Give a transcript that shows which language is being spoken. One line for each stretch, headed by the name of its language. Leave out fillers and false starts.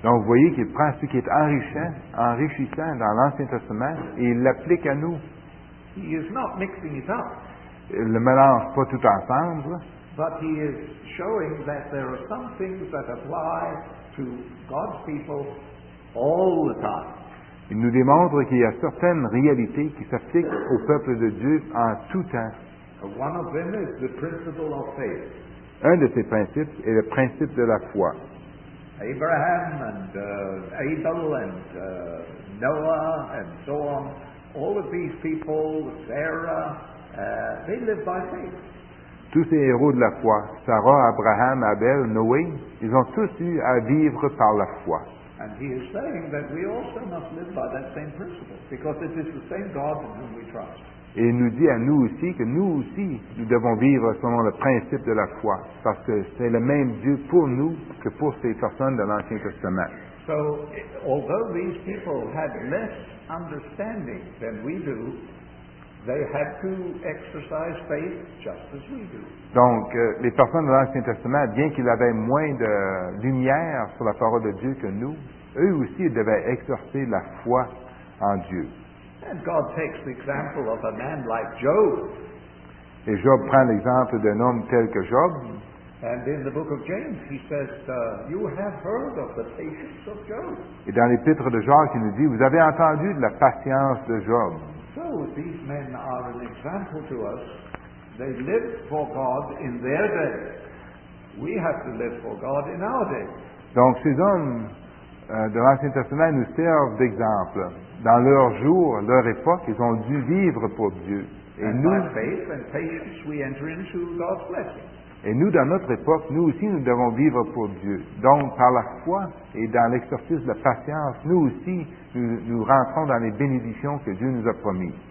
French: Donc, vous voyez qu'il prend ce qui est enrichissant dans l'Ancien Testament et il l'applique à nous.
English: He is not mixing it up.
French: Il le mélange pas tout ensemble.
English: But he is showing that there are some things that apply to God's people all the time.
French: Il nous démontre qu'il y a certaines réalités qui s'appliquent au peuple de Dieu en tout temps.
English: One of them is the principle of faith.
French: Un de ces principes est le principe de la foi.
English: Abraham and Abel and Noah and so on, all of these people, Sarah, they lived by faith.
French: Tous ces héros de la foi, Sarah, Abraham, Abel, Noé, ils ont tous eu à vivre par la foi.
English: And he is saying that we also must live by that same principle, because it is the same God in whom we trust.
French: Et il nous dit à nous aussi que nous aussi, nous devons vivre selon le principe de la foi, parce que c'est le même Dieu pour nous que pour ces personnes de l'Ancien Testament.
English: So, although these people had less understanding than we do, they had to exercise faith just as we do.
French: Donc, les personnes de l'Ancien Testament, bien qu'ils avaient moins de lumière sur la parole de Dieu que nous, eux aussi devaient exercer la foi en Dieu.
English: And God takes the example of a man like Job.
French: Et Job prend l'exemple d'un homme tel que Job.
English: And in the book of James, he says, you have heard of the patience of Job.
French: Et dans l'épître de Jacques, il nous dit, vous avez entendu de la patience de Job.
English: So these men are an example to us. They lived for God in their day. We have to live for God in our day.
French: Donc ces hommes de l'Ancien Testament nous servent d'exemple. Dans leur jour, leur époque, ils ont dû vivre pour Dieu. Et nous,
English: by faith and patience, we enter into God's blessing.
French: Et nous, dans notre époque, nous aussi, nous devons vivre pour Dieu. Donc, par la foi et dans l'exercice de la patience, nous aussi, nous rentrons dans les bénédictions que Dieu nous a promis.